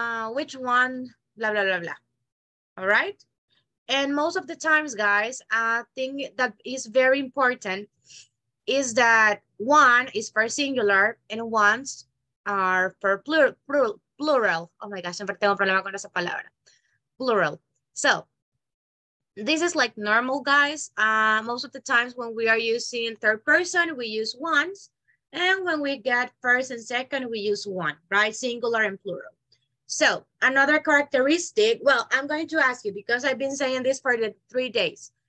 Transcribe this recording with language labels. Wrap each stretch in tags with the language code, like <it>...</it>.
<en>Which one, blah, blah, blah, blah. All right? And most of the times, guys, a thing that is very important is that one is for singular and ones are for plural.</en> <es>Oh my gosh, siempre tengo un problema con esa palabra.</es> <en>Plural. So, this is like normal, guys. Most of the times when we are using third person, we use ones. And when we get first and second, we use one, right? Singular and plural. So, another characteristic, well, I'm going to ask you, because I've been saying this for the 3 days.</en>